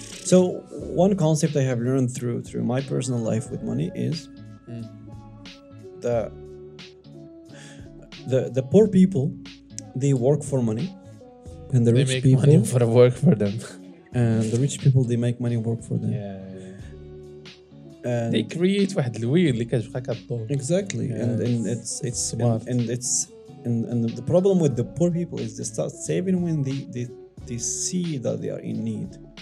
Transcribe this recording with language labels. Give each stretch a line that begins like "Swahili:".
English: So one concept I have learned through my personal life with money is the poor people, they work for money, and the rich people they make money for work for them, and the rich people they make money work for them. Yeah. They create
Arabic: واحد الويل اللي كتبقى كطول.
English: Exactly, yeah. And it's smart. And the problem with the poor people is they start saving when they see that they are in need.